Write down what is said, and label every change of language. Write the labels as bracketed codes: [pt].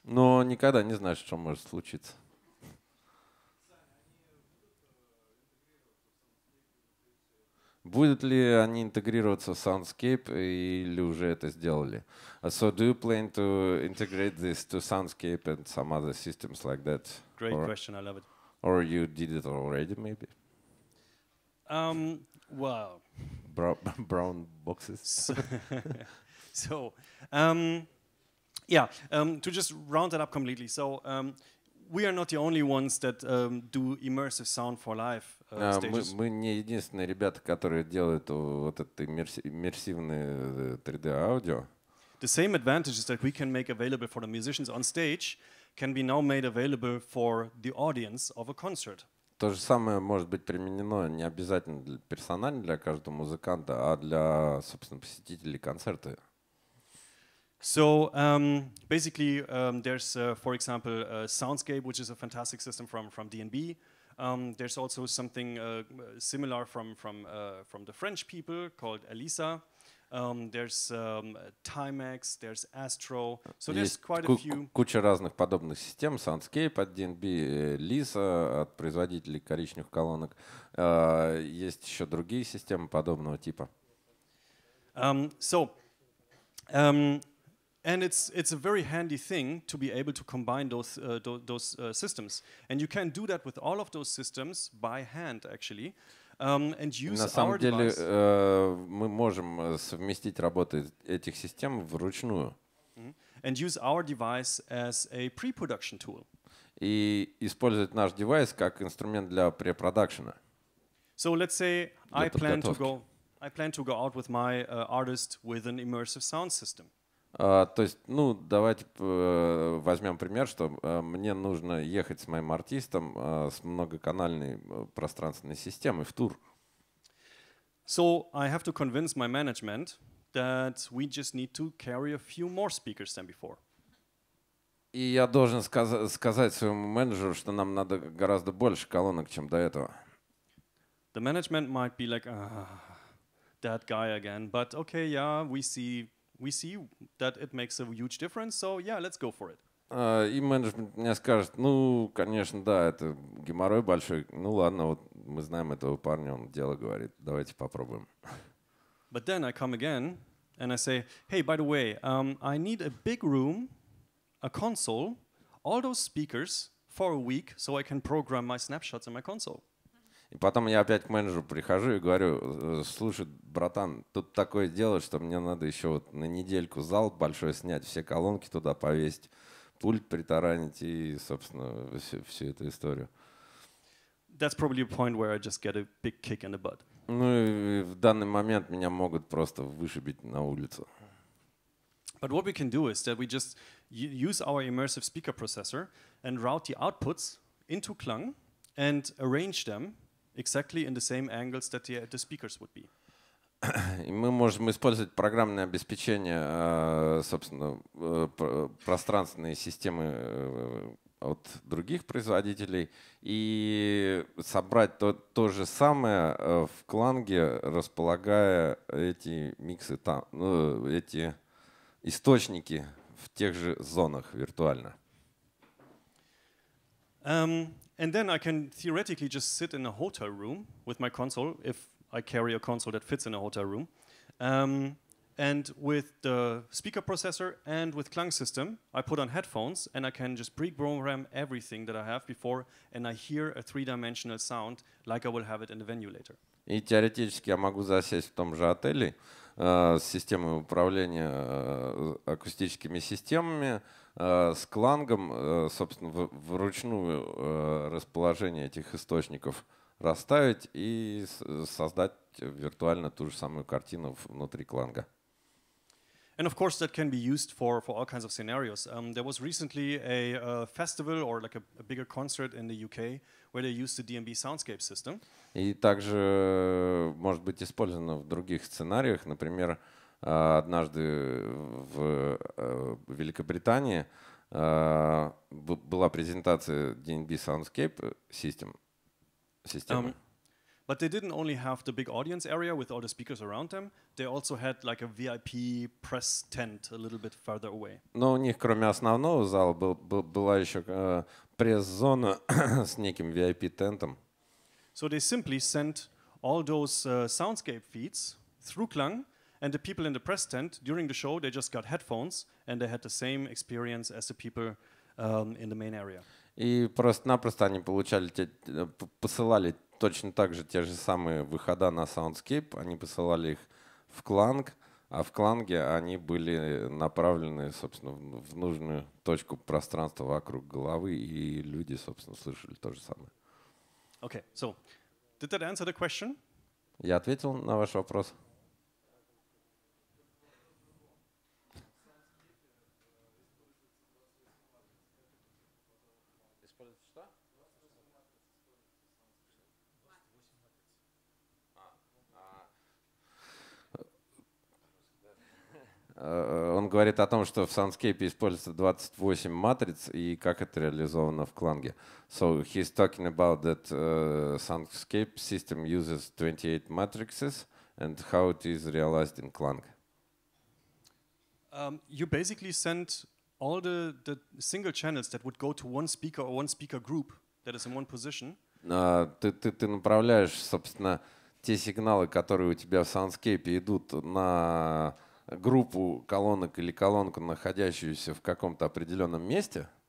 [ru] Но никогда не знаешь, что может случиться. Будут ли они интегрироваться в Soundscape или уже это сделали? [en] So do you plan to integrate this to Soundscape and some other systems like that? Great question, I love it. Or you did it already, maybe? Well. Brown boxes. So, to just round it up completely. So we are not the only ones that do immersive sound for life. [ru] Мы не единственные ребята, которые делают вот это иммерсивное 3D аудио. [en] The same advantages that we can make available for the musicians on stage can be now made available for the audience of a concert. [ru] То же самое может быть применено не обязательно персонально для каждого музыканта, а для, собственно, посетителей концерта. [en] So basically, there's, for example, Soundscape, which is a fantastic system from DNB. There's also something similar from the French people called Elisa. There's Timex, there's Astro. So there's quite a few. [ru] Куча разных подобных систем. Soundscape от DNB, Elisa от производителей коричневых колонок. Есть еще другие системы подобного типа. [en] And it's a very handy thing to be able to combine those systems. And you can do that with all of those systems by hand, actually. And use [ru] на [en] our [ru] деле, [en] device. [ru] Мы можем совместить работы этих систем вручную. Mm-hmm. [en] And use our device as a pre-production tool. [ru] И использовать наш девайс как инструмент для препродакшена. [en] So let's say I plan to go out with my artist with an immersive sound system. [ru] То есть, ну, давайте возьмем пример, что мне нужно ехать с моим артистом с многоканальной пространственной системой в тур. [en] So I have to convince my management that we just need to carry a few more speakers than before. [ru] И я должен сказать своему менеджеру, что нам надо гораздо больше колонок, чем до этого. [en] The management might be like, that guy again, but okay, yeah, we see that it makes a huge difference, so yeah, let's go for it. [ru] И менеджмент мне скажет, ну, конечно, да, это геморрой большой, ну ладно, вот мы знаем этого парня, он дело говорит, давайте попробуем. [en] But then I come again, and I say, hey, by the way, I need a big room, a console, all those speakers for a week, so I can program my snapshots in my console. [ru] И потом я опять к менеджеру прихожу и говорю, слушай, братан, тут такое дело, что мне надо еще вот на недельку зал большой снять, все колонки туда повесить, пульт притаранить и, собственно, всю эту историю. [en] That's probably a point where I just get a big kick in the butt. [ru] Ну и в данный момент меня могут просто вышибить на улицу. [en] But what we can do is that we just use our immersive speaker processor and route the outputs into KLANG and arrange them exactly in the same angles that the speakers would be. [ru] И мы можем использовать программное обеспечение, собственно, пространственные системы от других производителей и собрать то же самое в кланге, располагая эти миксы там, ну, эти источники в тех же зонах виртуально. [en] And then I can theoretically just sit in a hotel room with my console, if I carry a console that fits in a hotel room, and with the speaker processor and with KLANG system, I put on headphones and I can just pre-program everything that I have before and I hear a three-dimensional sound like I will have it in the venue later. [ru] И теоретически я могу засесть в том же отеле с системой управления акустическими системами, с клангом, собственно, вручную расположение этих источников расставить и создать виртуально ту же самую картину внутри кланга. [en] And of course, that can be used for all kinds of scenarios. There was recently a festival or like a bigger concert in the UK where they used the DMB soundscape system. [ru] И также может быть использовано в других сценариях. Например, однажды в Великобритании была презентация DMB soundscape системы. [en] But they didn't only have the big audience area with all the speakers around them. They also had like a VIP press tent a little bit further away. [ru] Но у них кроме основного зала была еще пресс-зона с неким VIP-тентом. [en] So they simply sent all those soundscape feeds through KLANG, and the people in the press tent during the show they just got headphones and they had the same experience as the people in the main area. [ru] И просто-напросто они получали посылали точно так же те же самые выхода на Soundscape, они посылали их в Кланг, а в Кланге они были направлены, собственно, в нужную точку пространства вокруг головы, и люди, собственно, слышали то же самое. [en] Okay, so, did that answer the question? [ru] Я ответил на ваш вопрос. Он говорит о том, что в Soundscape используется 28 матриц и как это реализовано в Кланге. [en] So he's talking about that Soundscape system uses 28 matrices and how it is realized in Klang. You basically send all the single channels that would go to one speaker or one speaker group that is in one position. [ru] Ты направляешь, собственно, те сигналы, которые у тебя в Soundscape идут на группу колонок или колонку, находящуюся в каком-то определенном месте.